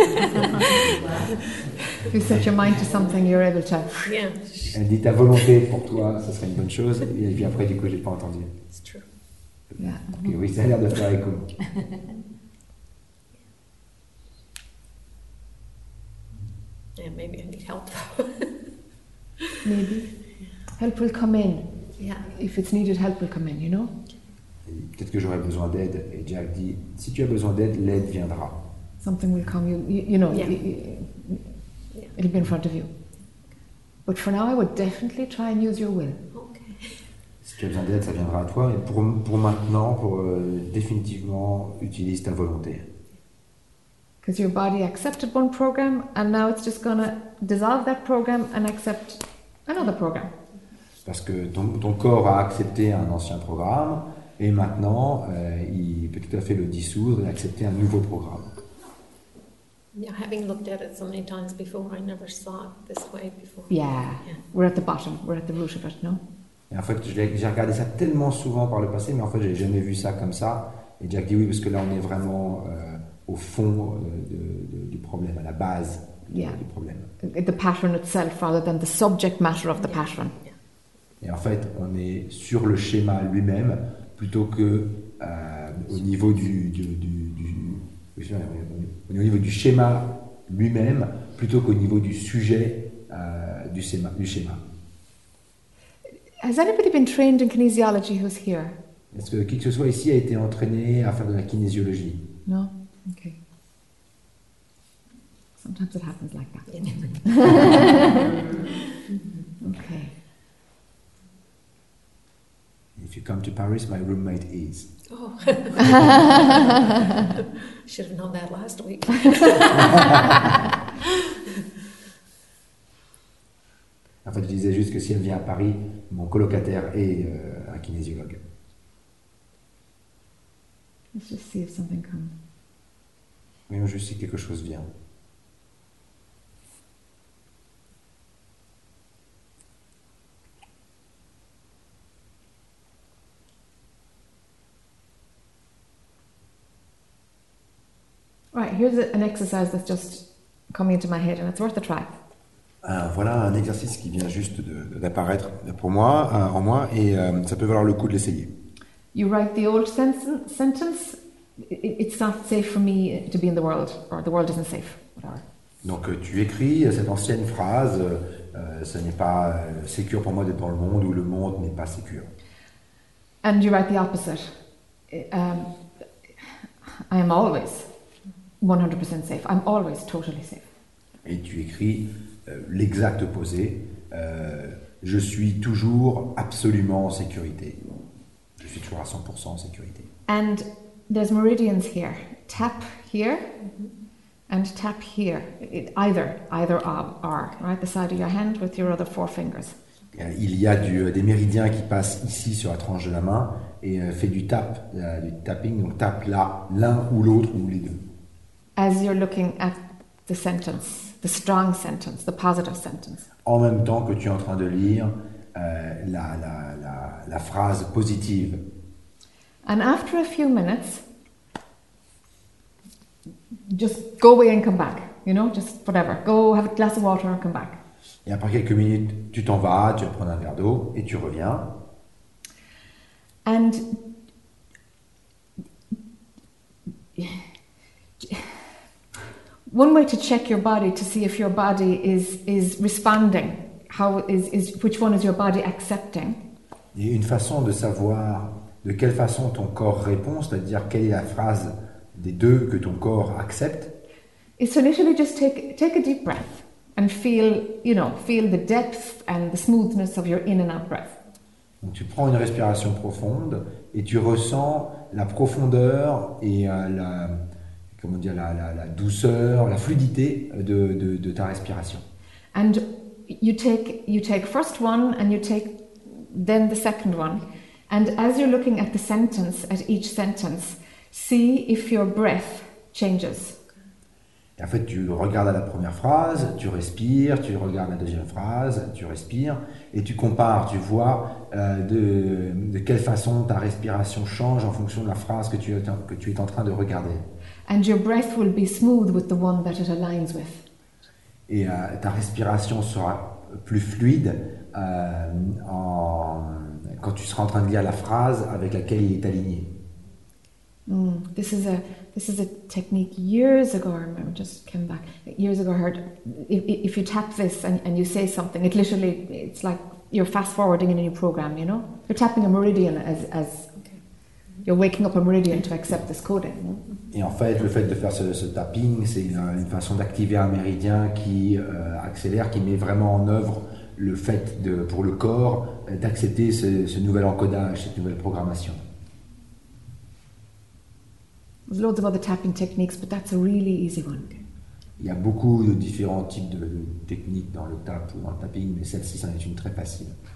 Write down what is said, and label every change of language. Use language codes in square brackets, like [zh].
[en] If you set your mind to something, you're able to. Yeah. [fr] Elle dit ta volonté pour toi, ça serait une bonne chose. Et puis après, du coup, j'ai pas entendu. [en] It's true. Yeah. [fr] Okay, oui, ça a l'air de faire écho. [en] Yeah, maybe I need help. Maybe. Help will come in. Yeah. If it's needed, help will come in, you know? [fr] Peut-être que j'aurai besoin d'aide. Et Jack dit, si tu as besoin d'aide, l'aide viendra. [en] Something will come, you know. Yeah. It'll be in front of you. But for now, I would definitely try and use your will. Okay. [fr] Si tu as besoin d'aide, ça viendra à toi. Et pour maintenant, définitivement, utilise ta volonté. [en] Because your body accepted one program and now it's just going to dissolve that program and accept another program. [fr] Parce que ton corps a accepté un ancien programme et maintenant il peut tout à fait le dissoudre et accepter un nouveau programme. [en] Yeah, having looked at it so many times before, I never saw it this way before. Yeah, we're at the bottom, we're at the root of it, no? [fr] Et en fait, j'ai regardé ça tellement souvent par le passé, mais en fait, j'ai jamais vu ça comme ça. Et Jack dit oui, parce que là, on est vraiment au fond du problème, à la base du problème. [en] The pattern itself, rather than the subject matter of the pattern. [fr] Et en fait, on est sur le schéma lui-même, plutôt que au niveau au niveau du schéma lui-même, plutôt qu'au niveau du sujet du schéma. [en] Has anybody been trained in kinesiology who's here? [fr] Est-ce que qui que ce soit ici a été entraîné à faire de la kinésiologie? [en] No? Okay. Sometimes it happens like that. Okay. If you come to Paris, my roommate is. Oh. Should have known that last week. [fr] En fait, je disais juste que si elle vient à Paris, mon colocataire est un kinésiologue. [en] Let's just see if something comes. [fr] Voyons juste si quelque chose vient. [en] Right, here's an exercise that's just coming into my head and it's worth a try. [fr] Voilà un exercice qui vient juste d'apparaître pour moi, en moi, et ça peut valoir le coup de l'essayer. [en] You write the old sentence, it's not safe for me to be in the world, or the world isn't safe, whatever. [fr] Donc tu écris cette ancienne phrase, ce n'est pas sécure pour moi d'être dans le monde, ou le monde n'est pas sécure. [en] And you write the opposite. I am always 100% safe. I'm always totally safe. [fr] Et tu écris l'exact opposé. Je suis toujours absolument en sécurité. Je suis toujours à 100% en sécurité. [en] And there's meridians here. Tap here and tap here. Either or, right? The side of your hand with your other four fingers. [fr] Il y a des méridiens qui passent ici sur la tranche de la main et fait du tapping. Donc tape là, l'un ou l'autre ou les deux. [en] As you're looking at the sentence. The strong sentence, the positive sentence. [fr] En même temps que tu es en train de lire la phrase positive. [en] And after a few minutes, just go away and come back. You know, just whatever. Go have a glass of water and come back. [fr] Et après quelques minutes, tu t'en vas, tu prends un verre d'eau et tu reviens. [en] And one way to check your body to see if your body is responding, which one is your body accepting? [fr] Et une façon de savoir de quelle façon ton corps répond, c'est-à-dire quelle est la phrase des deux que ton corps accepte? [en] Is to literally just take a deep breath and feel, you know, feel the depth and the smoothness of your in and out breath. [fr] Donc tu prends une respiration profonde et tu ressens la profondeur et la comment dire, la douceur, la fluidité de ta respiration. [en] And you take first one and you take then the second one. And as you're looking at the sentence, at each sentence, see if your breath changes. [fr] Et en fait, tu regardes à la première phrase, tu respires, tu regardes la deuxième phrase, tu respires, et tu compares, tu vois de quelle façon ta respiration change en fonction de la phrase que tu es en train de regarder. [en] And your breath will be smooth with the one that it aligns with. [fr] Et ta respiration sera plus fluide quand tu seras en train de lire la phrase avec laquelle il est aligné. [en] This is a technique years ago, I remember, just came back. Years ago I heard, if you tap this and you say something, it literally, it's like you're fast-forwarding in a new program, you know? You're tapping a meridian as you're waking up a meridian to accept this coding. [fr] Et en fait, le fait de faire ce tapping, c'est une façon d'activer un méridien qui accélère, qui met vraiment en œuvre le fait de, pour le corps d'accepter ce, ce nouvel encodage, cette nouvelle programmation. [en] There's loads of other tapping techniques, but that's a really easy one. [fr] Il y a beaucoup de différents types de techniques dans le tap ou dans le tapping, mais celle-ci, c'en est une très facile.